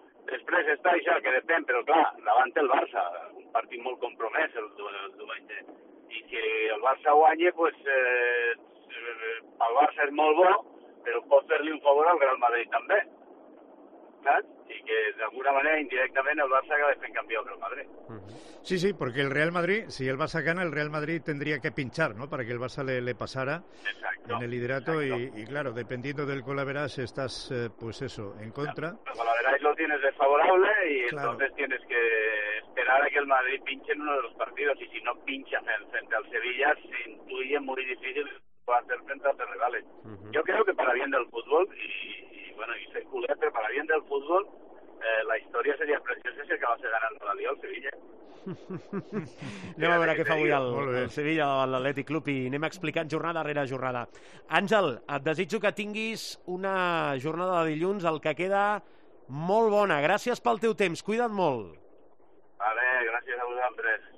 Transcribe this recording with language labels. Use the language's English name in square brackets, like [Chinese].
[Catalan] Després està això, que depèn, però clar, davant el Barça, un partit molt compromès el diumenge. I si el Barça guanya, pues, el Barça és molt bo, però pot fer-li un favor al Real Madrid també. Saps? I que d'alguna manera, indirectament, el Barça acaba fent campió al Real Madrid. Sí, sí, perquè [Spanish] el Real Madrid, si el Barça gana, el Real Madrid tendría que pinchar, ¿no? Para que el Barça le pasara. Exacto. En el liderato. Exacto. Y claro, dependiendo del colaveras, estás, pues eso, en contra. El colaveras lo tienes desfavorable y claro. Entonces tienes que esperar a que el Madrid pinche en uno de los partidos, y si no pincha frente al Sevilla, se intuye muy difícil para hacer frente a los rivales. Yo creo que para bien del fútbol, y ser culé, pero para bien del fútbol, [Catalan] la història seria preciosa si acabés ganant la Lliga al Sevilla. Anem a veure què fa avui el Sevilla davant l'Atlètic Club i anem explicant jornada rere jornada. Àngel, et desitjo que tinguis una jornada de dilluns, el que queda, molt bona. Gràcies pel teu temps, cuida't molt. Vale, gràcies a vosaltres.